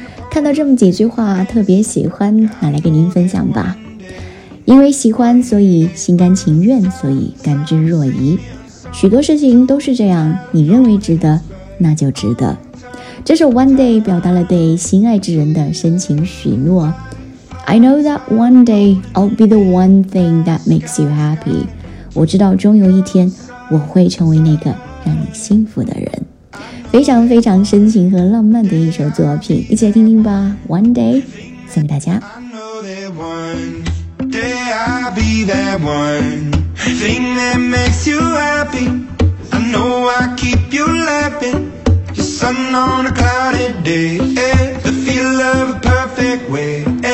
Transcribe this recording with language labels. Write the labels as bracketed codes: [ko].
[zh] 看到这么几句话特别喜欢，拿来给您分享吧。因为喜欢，所以心甘情愿，所以甘之若饴。许多事情都是这样，你认为值得那就值得。这首 One Day 表达了对心爱之人的深情许诺。 [en] I know that one day I'll be the one thing that makes you happy. [zh] 我知道终有一天我会成为那个让你幸福的人。非常非常深情和浪漫的一首作品，一起来听听吧。 One day 送给大家。 [en] I know that one day I'll be that one thing that makes you happy. I know I keep you laughing. The sun on a cloudy day, the feel of a perfect way.